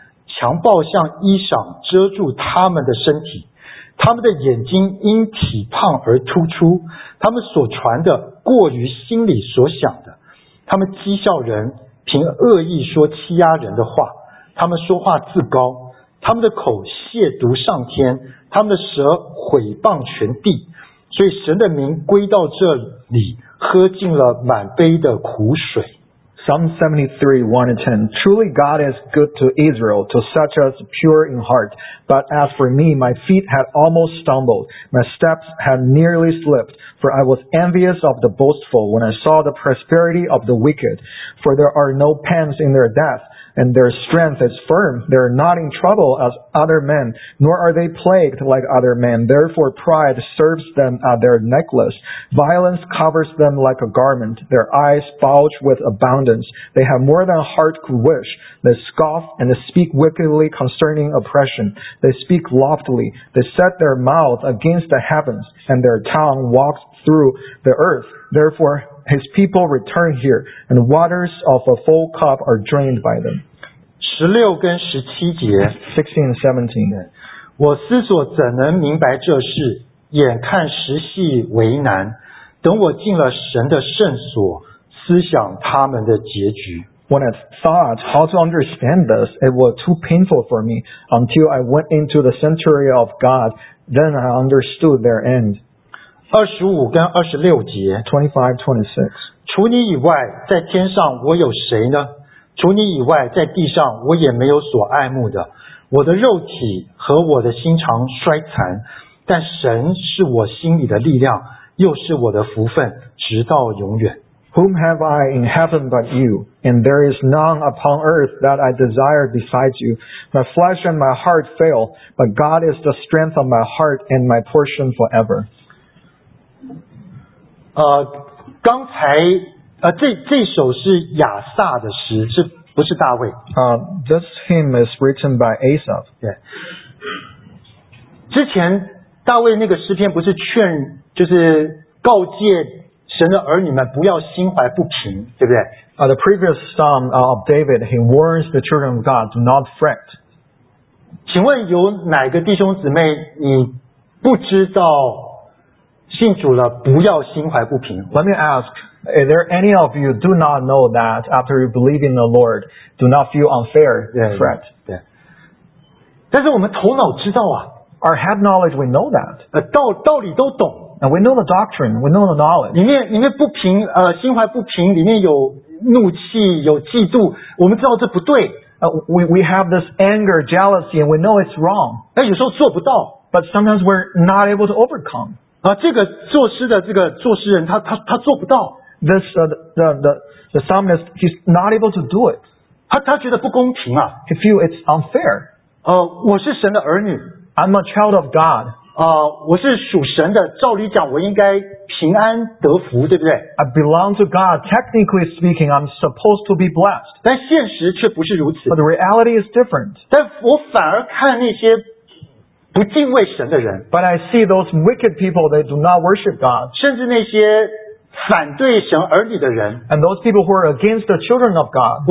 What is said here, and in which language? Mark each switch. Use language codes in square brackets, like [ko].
[zh] 强暴像衣裳遮住他们的身体，他们的眼睛因体胖而突出，他们所传的过于心里所想的，他们讥笑人，凭恶意说欺压人的话，他们说话自高，他们的口亵渎上天，他们的舌毁谤全地，所以神的名归到这里，喝尽了满杯的苦水。 [en] Psalm 73:1-10. Truly God is good to Israel, to such as pure in heart. But as for me, my feet had almost stumbled, my steps had nearly slipped, for I was envious of the boastful when I saw the prosperity of the wicked, for there are no pangs in their death. and their strength is firm. They are not in trouble as other men, nor are they plagued like other men. Therefore, pride serves them as their necklace. Violence covers them like a garment. Their eyes bulge with abundance. They have more than a heart could wish. They scoff and they speak wickedly concerning oppression. They speak loftily. They set their mouth against the heavens, and their tongue walks through the earth. Therefore, his people return here, and waters of a full cup are drained by them. [zh] 16跟17节 [en] 16 and 17, [zh] 我思索怎能明白这事，眼看时系为难，等我进了神的圣所，思想他们的结局。 [en] When I thought how to understand this, it was too painful for me until I went into the sanctuary of God, then I understood their end. 25-26, [zh] 除你以外，在天上我有谁呢？除你以外，在地上我也没有所爱慕的。我的肉体和我的心肠衰残，但神是我心里的力量，又是我的福分，直到永远。 [en] Whom have I in heaven but you? And there is none upon earth that I desire besides you. My flesh and my heart fail, but God is the strength of my heart and my portion forever. [zh] 刚才这首是亚萨的诗，是不是大卫？ [en] This hymn is written by Asaph. Yeah. [zh] 之前大卫那个诗篇不是劝，就是告诫神的儿女们不要心怀不平，对不对？ [en] The previous psalm of David, he warns the children of God, do not fret. [zh] 请问有哪个弟兄姊妹你不知道信主了不要心怀不平？ [en] Let me ask, is there any of you do not know that after you believe in the Lord, do not feel unfair, fret? [zh] 对。但是我们头脑知道啊。 [en] Our head knowledge, we know that. [zh] 道理都懂。 [en] And we know the doctrine, we know the knowledge. [zh] 里面不平，心怀不平，里面有怒气，有嫉妒，我们知道这不对。 [en] We have this anger, jealousy, and we know it's wrong. [zh] 但有时候做不到。 [en] But sometimes we're not able to overcome. [zh] 这个作诗的这个作诗人，他做不到。 [en] This, the psalmist, he's not able to do it. [zh] 他觉得不公平啊。 [en] He feels it's unfair. [zh] 我是神的儿女。 [en] I'm a child of God. [zh] 我是属神的，照理讲我应该平安得福，对不对？ [en] I belong to God. Technically speaking, I'm supposed to be blessed. [zh] 但现实却不是如此。 [en] But the reality is different. [zh] 但我反而看那些不敬畏神的人。 [en] But I see those wicked people, they do not worship God. [zh] 甚至那些反对神儿女的人。 [en] And those people who are against the children of God.